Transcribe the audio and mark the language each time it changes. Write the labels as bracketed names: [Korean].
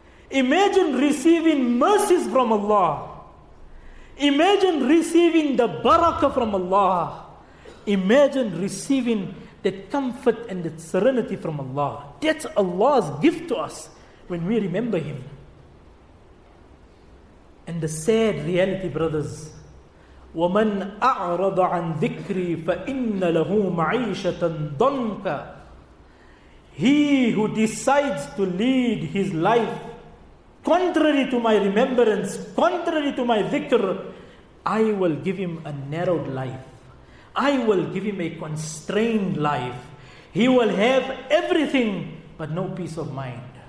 [English] Imagine receiving mercies from Allah. Imagine receiving the barakah from Allah. Imagine receiving that comfort and that serenity from Allah. That's Allah's gift to us when we remember Him. And the sad reality, brothers, [Arabic] وَمَنْ أَعْرَضَ عَنْ ذِكْرِي فَإِنَّ لَهُ مَعِيشَةً ضَنْكَ. [English] He who decides to lead his life contrary to my remembrance, contrary to my dhikr, I will give him a narrowed life. I will give him a constrained life. He will have everything but no peace of mind.